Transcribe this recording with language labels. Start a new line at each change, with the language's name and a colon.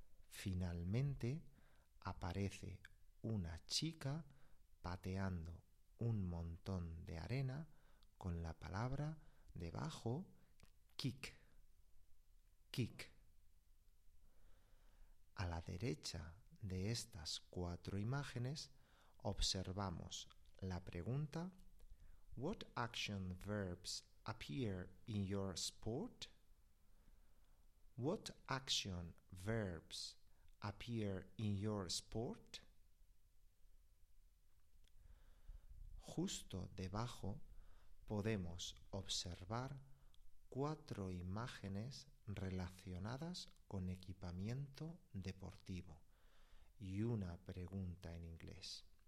Spanish: Finalmente aparece una chica pateando un montón de arena con la palabra debajo kick. Kick. A la derecha de estas cuatro imágenes observamos la pregunta
English: What action verbs appear in your sport? What action verbs appear in your sport?
Spanish: Justo debajo podemos observar cuatro imágenes relacionadas con equipamiento deportivo y una pregunta en inglés.